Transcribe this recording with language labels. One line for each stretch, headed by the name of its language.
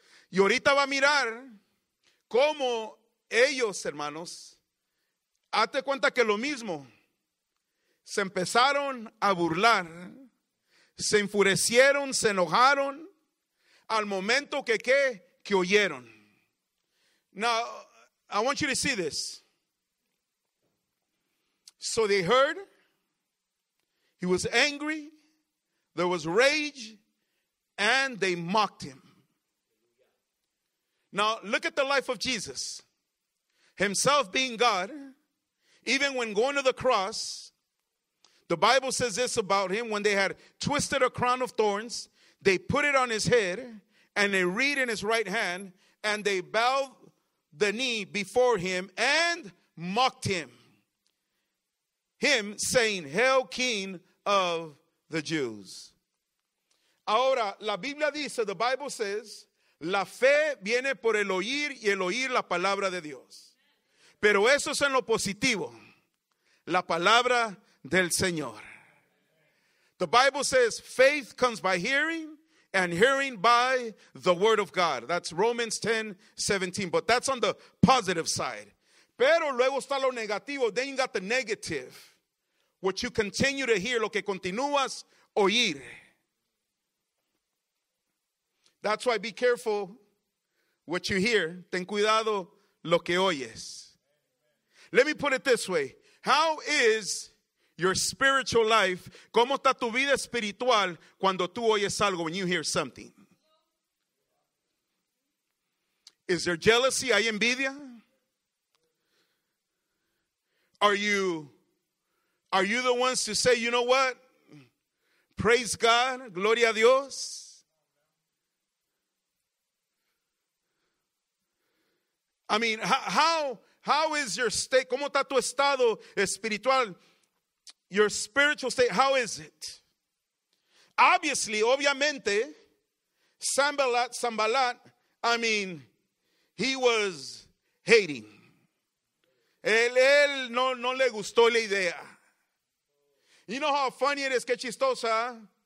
Spanish: Y ahorita va a mirar cómo ellos, hermanos, hazte cuenta que lo mismo, se empezaron a burlar, se enfurecieron, se enojaron al momento que oyeron.
English: Now, I want you to see this. So they heard, he was angry, there was rage, and they mocked him. Now, look at the life of Jesus. Himself being God, even when going to the cross, the Bible says this about him, when they had twisted a crown of thorns, they put it on his head, and a reed in his right hand, and they bowed the knee before him and mocked him. Him saying, Hail King of the Jews.
Spanish: Ahora, la Biblia dice,
English: the Bible says,
Spanish: la fe viene por el oír y el oír la palabra de Dios. Pero eso es en lo positivo, la palabra del Señor.
English: The Bible says, faith comes by hearing, and hearing by the word of God. That's Romans 10:17. But that's on the positive side.
Spanish: Pero luego está lo negativo.
English: Then you got the negative. What you continue to hear,
Spanish: lo que continúas oír.
English: That's why be careful what you hear.
Spanish: Ten cuidado lo que oyes.
English: Let me put it this way. How is your spiritual life?
Spanish: ¿Cómo está tu vida espiritual cuando tú oyes algo,
English: when you hear something? Is there jealousy?
Spanish: ¿Hay envidia?
English: Are you the ones to say, you know what? Praise God.
Spanish: Gloria a Dios.
English: I mean, how is your state?
Spanish: ¿Cómo está tu estado espiritual?
English: Your spiritual state, how is it?
Spanish: Obviamente,
English: Sambalat, I mean, he was hating.
Spanish: Él no le gustó la idea.
English: You know how funny it is,
Spanish: que chistosa.